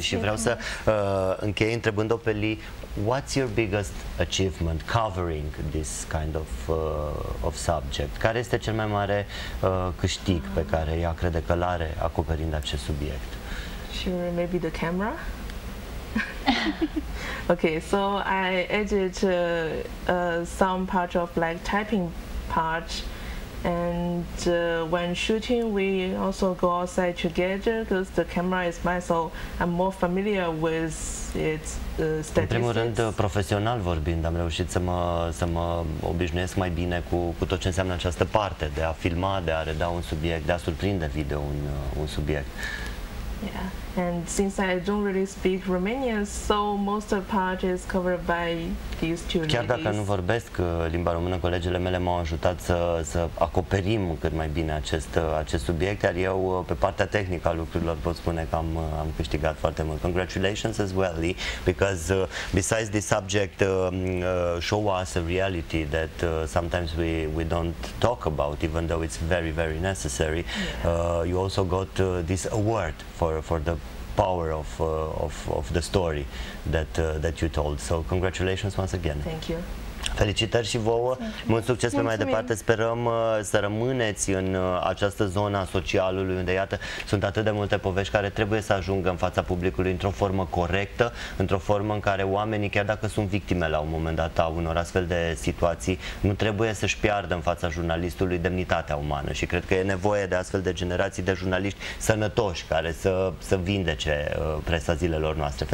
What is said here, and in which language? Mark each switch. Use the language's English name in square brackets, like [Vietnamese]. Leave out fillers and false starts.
[Romanian] Și vreau să închei întrebând-o pe Lee, [English] what's your biggest achievement covering this kind of subject? [Romanian] Care este cel mai mare câștig pe care ea crede că l-are acoperind acest subiect? [English] Sure, maybe the camera? Okay, so I edited some part of like typing part, and when shooting we also go outside together because the camera is mine, so I'm more familiar with its statistics. [Romanian] În primul rând, profesional vorbind, am reușit să mă obișnuiesc mai bine cu tot ce înseamnă această parte de a filma, de a reda un subiect, de a surprinde video un subiect. [English] Yeah, and since I don't really speak Romanian, so most of the part is covered by these two ladies. [Romanian] Chiar dacă nu vorbesc limba română, colegele mele m-au ajutat să acoperim cât mai bine acest subiect, iar eu pe partea tehnică a lucrurilor pot spune că am câștigat foarte mult. [English] Congratulations as well, Lee, because besides this subject, show us a reality that sometimes we don't talk about, even though it's very, very necessary. Yeah. You also got this award for the power of the story that you told. So congratulations once again. Thank you. [Romanian] Felicitări și vouă, mult succes pe mai departe, sperăm să rămâneți în această zonă a socialului unde, iată, sunt atât de multe povești care trebuie să ajungă în fața publicului într-o formă corectă, într-o formă în care oamenii, chiar dacă sunt victime la un moment dat a unor astfel de situații, nu trebuie să-și piardă în fața jurnalistului demnitatea umană și cred că e nevoie de astfel de generații de jurnaliști sănătoși care să vindece presa zilelor noastre.